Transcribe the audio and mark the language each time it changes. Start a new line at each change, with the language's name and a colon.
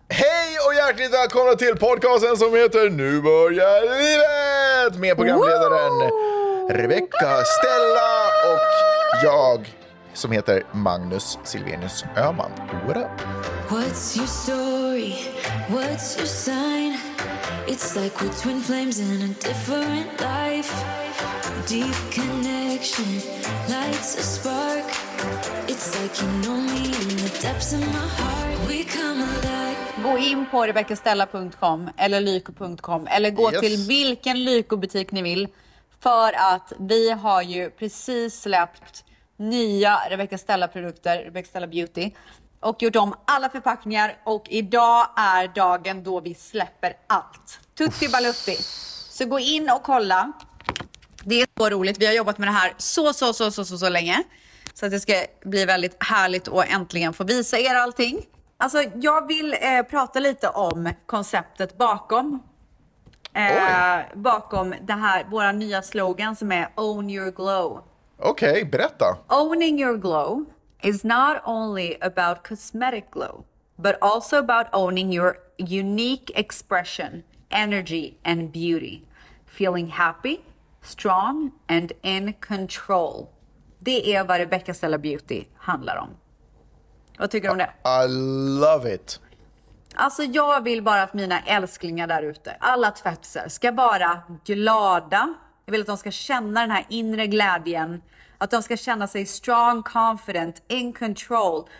Swedish: Hej och hjärtligt välkomna till podcasten som heter Nu börjar livet! Med programledaren Rebecca, Stella och jag som heter Magnus Silvenius Öhman.
English: What up? What's your story? What's your sign? It's like we're twin flames in a different life. Deep connection, lights a spark. It's like you know me in the depths of my heart. We come alive.
Swedish: Gå in på rebeccastella.com eller lyko.com eller gå till vilken lykobutik ni vill, för att vi har ju precis släppt nya Rebecca Stella-produkter, Rebecca Stella Beauty, och gjort om alla förpackningar, och idag är dagen då vi släpper allt. Tutti baluppi. Så gå in och kolla. Det är så roligt. Vi har jobbat med det här så länge. Så att det ska bli väldigt härligt att äntligen få visa er allting. Alltså, jag vill prata lite om konceptet bakom. Bakom det här, våra nya slogan som är Own Your Glow. Okej, berätta.
English: Owning your glow is not only about cosmetic glow, but also about owning your unique expression, energy and beauty. Feeling happy, strong and in control.
Swedish: Det är vad Rebecca Stella Beauty handlar om. Vad tycker du om det?
English: I love it.
Swedish: Alltså, jag vill bara att mina älsklingar där ute, alla tvättser, ska vara glada. Jag vill att de ska känna den här inre glädjen. Att de ska känna sig
English: strong, confident, in control.